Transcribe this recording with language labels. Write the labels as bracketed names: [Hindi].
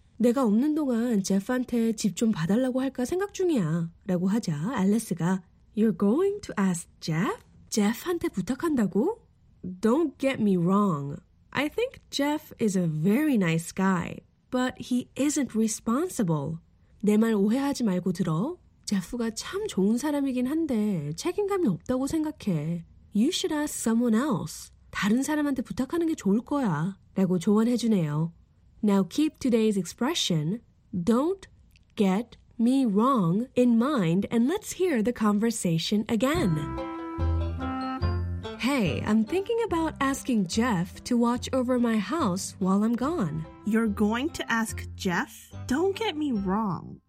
[Korean] 내가 없는 동안 제프한테 집 좀 봐달라고 할까 생각 중이야 라고 하자 앨리스가 [English] You're going to ask Jeff? [Korean] Jeff한테 부탁한다고? [English] Don't get me wrong. I think Jeff is a very nice guy, but he isn't responsible. [Korean] 내 말 오해하지 말고 들어. 제프가 참 좋은 사람이긴 한데 책임감이 없다고 생각해. [English] You should ask someone else. [Korean] 다른 사람한테 부탁하는 게 좋을 거야 라고 조언해 주네요. [English] Now keep today's expression, don't get me wrong, in mind, and let's hear the conversation again. Hey, I'm thinking about asking Jeff to watch over my house while I'm gone. You're going to ask Jeff? Don't get me wrong.